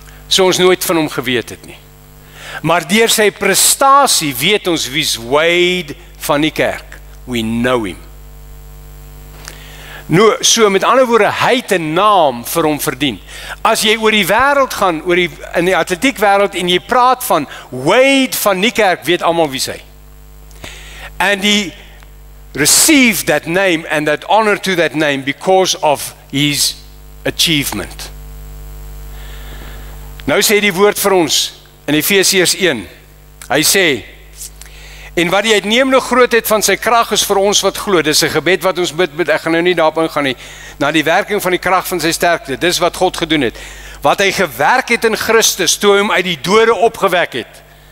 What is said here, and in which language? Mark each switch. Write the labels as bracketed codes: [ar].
[af] So ons nooit van hom geweet het nie. Maar deur sy prestasie weet ons wie's Wade van die kerk. [en] We know him. [af] Nou, so met ander woorde, hy het 'n naam vir hom verdien. As jy oor die wêreld gaan, in die atletiek wêreld en jy praat van Wade van die kerk, weet almal wie hy. [en] And he received that name and that honor to that name because of his achievement. [af] Nou sê die woord vir ons in Efesiërs 1. Hy sê en wat die uitneemende grootheid van sy krag is vir ons wat glo, dis 'n gebed wat ons bid, ek gaan nou nie daarop ingaan nie, na die werking van die krag van sy sterkte, dis wat God gedoen het, wat hy gewerk het in Christus, toe hy hom uit die dode opgewek het,